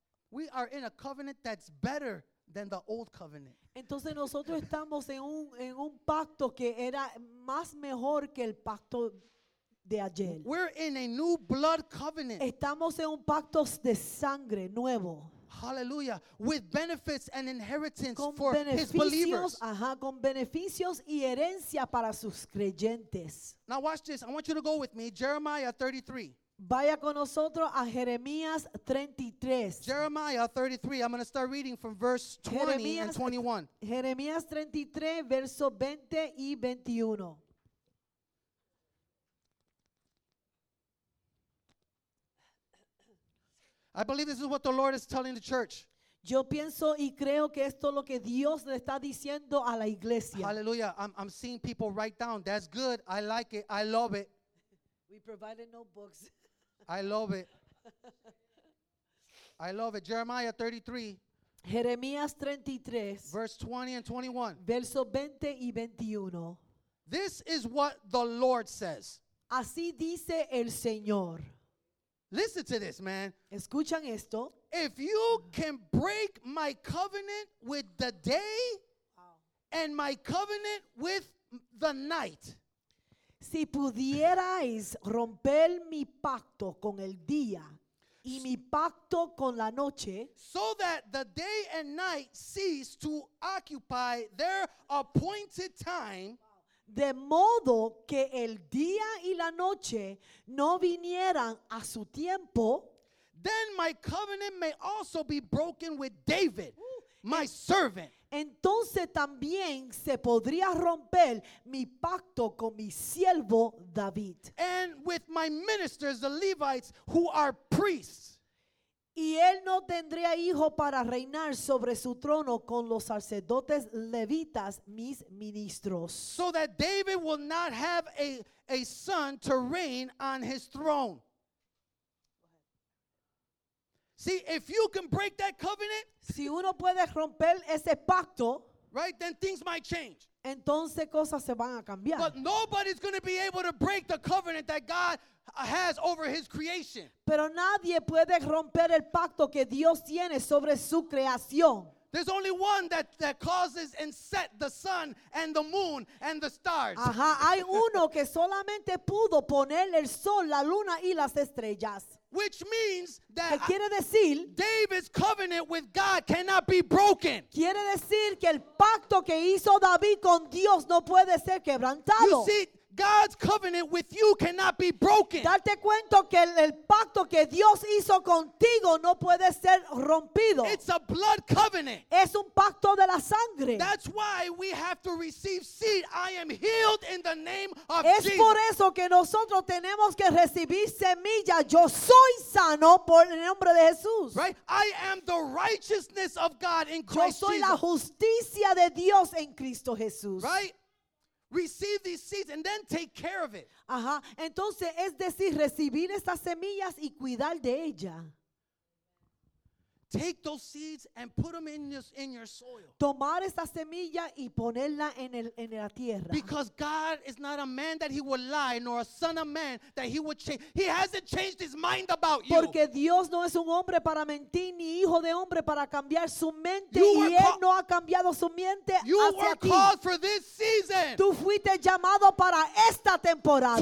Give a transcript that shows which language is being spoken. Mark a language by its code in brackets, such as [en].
[en] We are in a covenant that's better than the old covenant. [es] Entonces nosotros estamos en un pacto que era más mejor que el pacto de ayer. [en] We're in a new blood covenant. [es] Estamos en un pacto de sangre nuevo. [en] Hallelujah. With benefits and inheritance for his believers. [es] Con beneficios y herencia para sus creyentes. [en] Now watch this. I want you to go with me. Jeremiah 33. [es] Vaya con nosotros a Jeremías 33. [en] Jeremiah 33. I'm going to start reading from verse 20 Jeremías, and 21. [es] Jeremías 33, verso 20 y 21. [en] I believe this is what the Lord is telling the church. [es] Yo pienso y creo que esto es lo que Dios le está diciendo a la iglesia. [en] Hallelujah. I'm seeing people write down. That's good. I like it. I love it. We provided notebooks. I love it. I love it. Jeremiah 33. [es] Jeremías 33. [en] Verse 20 and 21. [es] Verso 20 y 21. [en] This is what the Lord says. [es] Así dice el Señor. [en] Listen to this, man. [es] Escuchan esto. [en] If you can break my covenant with the day and my covenant with the night. [es] Si pudierais romper mi pacto con el día y mi pacto con la noche. [en] So that the day and night cease to occupy their appointed time. [es] De modo que el día y la noche no vinieran a su tiempo. [en] Then my covenant may also be broken with David, my servant. [es] Entonces también se podría romper mi pacto con mi siervo David. [en] And with my ministers, the Levites, who are priests. [es] Y él no tendría hijo para reinar sobre su trono con los sacerdotes levitas, mis ministros. [en] So that David will not have a son to reign on his throne. See, if you can break that covenant, [es] si uno puede romper ese pacto, [en] right, then things might change. [es] Entonces cosas se van a cambiar. [en] But nobody's going to be able to break the covenant that God has over his creation. [es] Pero nadie puede romper el pacto que Dios tiene sobre su creación. [en] There's only one that causes and set the sun and the moon and the stars. [es] Ajá, hay uno que solamente pudo poner el sol, la luna y las estrellas. [en] Which means that [es] quiere decir, [en] David's covenant with God cannot be broken. [es] Quiere decir que el pacto que hizo David con Dios no puede ser quebrantado. [en] You see, God's covenant with you cannot be broken. [es] Date cuenta que el pacto que Dios hizo contigo no puede ser rompido. [en] It's a blood covenant. [es] Es un pacto de la sangre. [en] That's why we have to receive seed. I am healed in the name of Jesus. [es] Es por eso que nosotros tenemos que recibir semilla. Yo soy sano por el nombre de Jesús. [en] Right? I am the righteousness of God in Christ Jesus. [es] Yo soy la justicia de Dios en Cristo Jesús. [en] Right? Receive these seeds and then take care of it. Ajá. [es] Entonces, es decir, recibir estas semillas y cuidar de ella. [en] Take those seeds and put them in your soil. [es] Tomar esta semilla y ponerla en la tierra. [en] Because God is not a man that he would lie, nor a son of man that he would change. He hasn't changed his mind about you. [es] Porque Dios no es un hombre para mentir, ni hijo de hombre para cambiar su mente. [en] You [es] y él no ha cambiado su mente [en] you [es] hacia [en] were [es] ti. [en] Called for this season. [es] Tú fuiste llamado para esta temporada.